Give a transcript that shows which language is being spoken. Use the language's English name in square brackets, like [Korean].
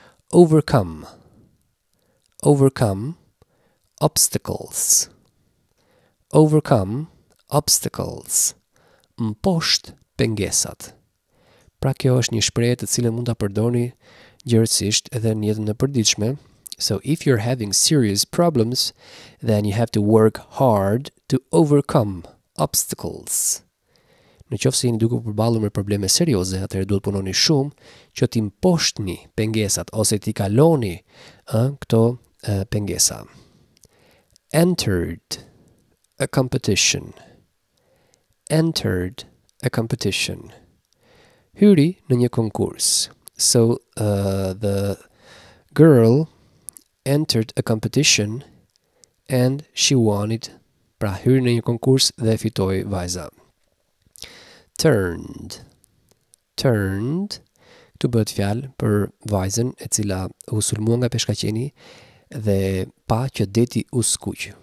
[English] Overcome, overcome obstacles. Overcome obstacles, [Albanian] mposht pengesat. Pra, kjo është një shprehje të cilën mund ta përdorni gjerësisht edhe në jetën e përditshme. [English] So if you're having serious problems, then you have to work hard to overcome obstacles. [Albanian] Në qoftë se jeni duke përballur me probleme serioze, atëherë duhet punoni shumë që të mposhtni pengesat ose të kaloni këto pengesa. [English] Entered a competition. Entered a competition. [Albanian] Hyri në një konkurs. [English] So the girl entered a competition and she won it. [Albanian] Pra hyrë në një konkurs dhe fitoi vajza. [English] Turned. Turned. [Albanian] Këtu bëhet fjalë për vajzën e cila u sulmua nga peshkaqeni dhe pa që deti u skuq.